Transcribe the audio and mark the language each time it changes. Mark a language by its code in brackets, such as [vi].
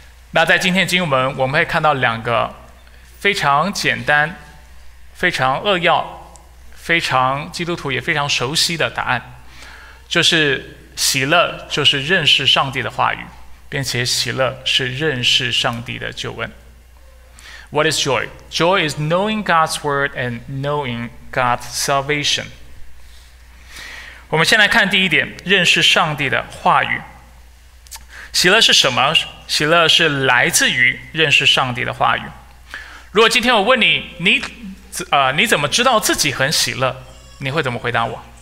[zh] 那在今天经文我们会看到两个非常简单、非常扼要、非常基督徒也非常熟悉的答案，就是喜乐就是认识上帝的话语，并且喜乐是认识上帝的救恩。 [en] What is joy? Joy is knowing God's word and knowing God's salvation. [zh] 我们先来看第一点，认识上帝的话语。喜乐是什么？喜乐是来自于认识上帝的话语。如果今天我问你，你怎么知道自己很喜乐？你会怎么回答我？